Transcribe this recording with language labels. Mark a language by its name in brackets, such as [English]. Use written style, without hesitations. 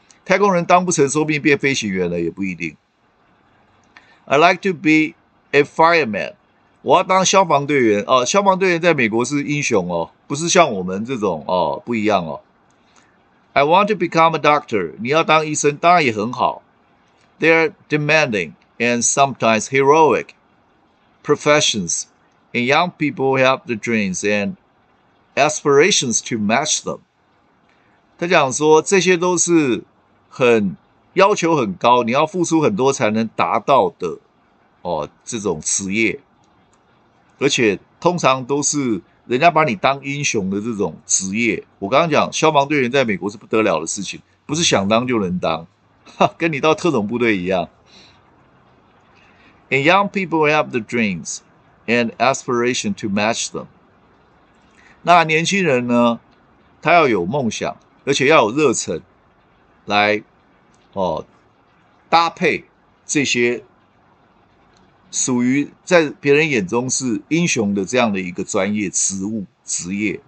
[Chinese] 太空人当不成，说不定变飞行员了，也不一定。 [English] I like to be a fireman. [Chinese] 我要当消防队员。哦，消防队员在美国是英雄哦，不是像我们这种哦，不一样哦。 [English] I want to become a doctor. [Chinese] 你要当医生，当然也很好。 [English] They're demanding and sometimes heroic professions, and young people have the dreams and aspirations to match them. [Chinese] 他讲说，这些都是很要求很高，你要付出很多才能达到的哦，这种职业，而且通常都是人家把你当英雄的这种职业。我刚刚讲消防队员在美国是不得了的事情，不是想当就能当，跟你到特种部队一样。 [English] And young people have the dreams and aspiration to match them. [Chinese] 那年轻人呢，他要有梦想，而且要有热忱来，哦，搭配这些属于在别人眼中是英雄的这样的一个专业职务职业。